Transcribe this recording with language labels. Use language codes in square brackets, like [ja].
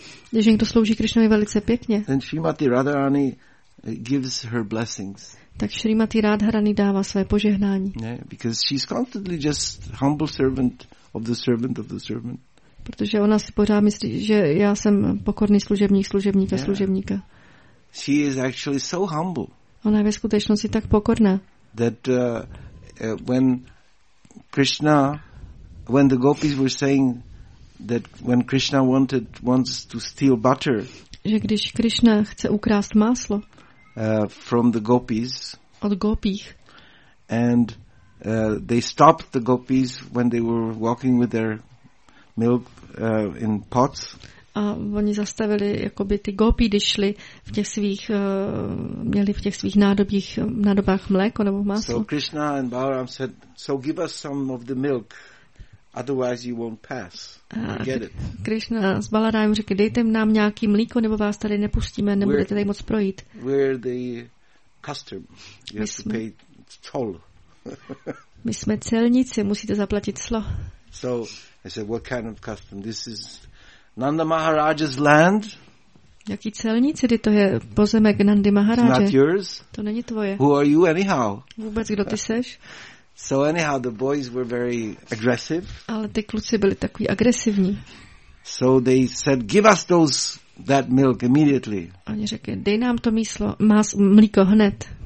[cs] když někdo slouží Krishnovi velice pěkně, [en] then Srimati Radharani gives her blessings. [cs] Tak Srimati Radharani dává své požehnání. [en] Yeah, because she's constantly just humble servant of the servant of the servant. [cs] Protože ona si pořád myslí, že já jsem pokorný služebník služebníka služebníka. [en] She is actually so humble. [cs] Ona je ve skutečnosti tak pokorná. [en] That when Krishna, when the gopis were saying that when Krishna wanted once to steal butter, [cs] že když Krishna chce ukrást máslo, [en] from the gopis, [cs] od gopích, [en] and they stopped the gopis when they were walking with their milk in pots. [cs] A oni zastavili jakoby ty gopi, když šli v těch svých měli v těch svých nádobách mléko nebo máslo. [en] So Krishna and Balaram said, so give us some of the milk. Otherwise you won't pass. Get it. [cs] Krishna s Balarámem řekli, dejte nám nějaký mlíko, nebo vás tady nepustíme, nebudete tady moc projít. [en] We're the custom. You have to pay toll. [cs] My jsme celníci, musíte zaplatit slo. [en] So I said, what kind of custom? This is Nanda Maharaja's land. [cs] Jaký celníci, to je pozemek Nandy Maharaje. [en] It's not yours. [cs] To není tvoje. [en] Who are you anyhow? [cs] Vůbec, kdo ty seš? [en] So anyhow, the boys were very aggressive. [cs] Ale ty kluci byli takový agresivní. [en] So they said, give us those, that milk immediately. [cs] Oni řekli, dej nám to míslo, mas, mlíko hned.